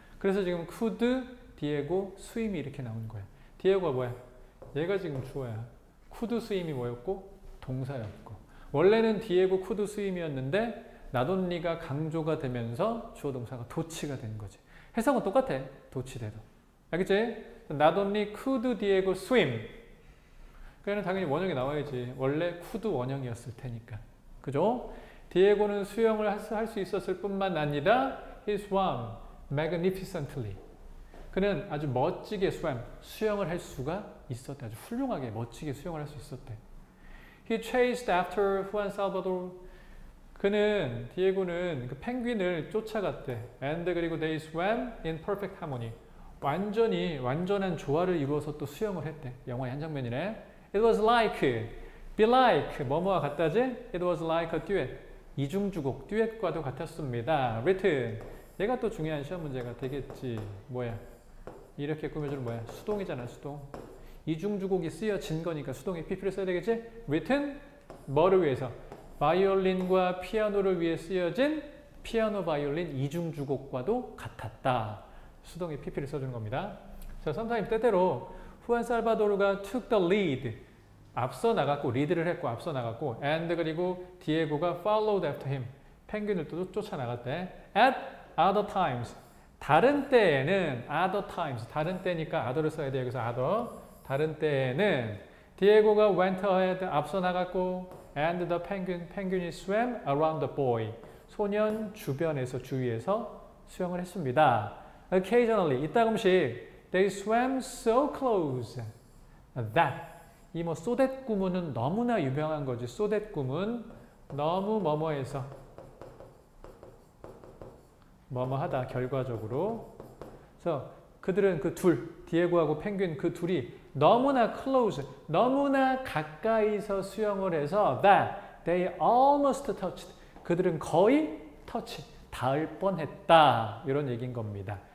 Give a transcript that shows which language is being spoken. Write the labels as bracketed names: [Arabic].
[Korean] 그래서 지금 could, Diego, swim이 이렇게 나오는 거야. Diego가 뭐야? 얘가 지금 주어야. could swim이 뭐였고? 동사였고. 원래는 [English] Diego could swim [Korean] 이었는데, not only가 강조가 되면서 주어동사가 도치가 된 거지. 해석은 똑같아. 도치돼도. 알겠지? [English] Not only could Diego swim. [Korean] 그러니까 당연히 원형이 나와야지. 원래 could 원형이었을 테니까. 그죠? Diego는 수영을 할수 있었을 뿐만 아니라, [English] he swam magnificently. [Korean] 그는 아주 멋지게 수영을 할 수가 있었대. 아주 훌륭하게 멋지게 수영을 할수 있었대. [English] He chased after Juan Salvador. [Korean] 그는, 디에고는 그 펭귄을 쫓아갔대. [English] And [Korean] 그리고 [English] they swam in perfect harmony. [Korean] 완전한 조화를 이루어서 또 수영을 했대. 영화의 한 장면이래. [English] It was like, be like, [Korean] 뭐뭐와 같다지? [English] It was like a duet. [Korean] 이중주곡, 듀엣과도 같았습니다. [English] Written. [Korean] 얘가 또 중요한 시험 문제가 되겠지. 뭐야? 이렇게 꾸며주는 뭐야? 수동이잖아, 수동. 이중주곡이 쓰여진 거니까 수동의 PP를 써야 되겠지? Written, 뭐를 위해서? 바이올린과 피아노를 위해 쓰여진 피아노 바이올린 이중주곡과도 같았다. 수동의 PP를 써주는 겁니다. 자, sometimes 때때로 후안 살바도르가 [English] took the lead. [Korean] 앞서 나갔고, 리드를 했고, 앞서 나갔고, and 그리고 디에고가 [English] followed after him. [Korean] 펭귄을 또 쫓아나갔대. [English] At other times. [Korean] 다른 때에는 other times 다른 때니까 other를 써야 돼요. 그래서 other 다른 때에는 디에고가 [English] went ahead [Korean] 앞서 나갔고 and [English] the penguin [Korean] 이 [English] swam around the boy [Korean] 소년 주변에서 주위에서 수영을 했습니다. [English] Occasionally [Korean] 이따금씩 [English] they swam so close that 이뭐 so that [Korean] 구문은 너무나 유명한 거지. so that 구문 너무 뭐뭐해서 뭐뭐하다 결과적으로 그래서 그들은 그둘 디에고하고 펭귄 그 둘이 너무나 close 너무나 가까이서 수영을 해서 [English] that they almost touched [Korean] 그들은 거의 터치 닿을 뻔했다 이런 얘기인 겁니다.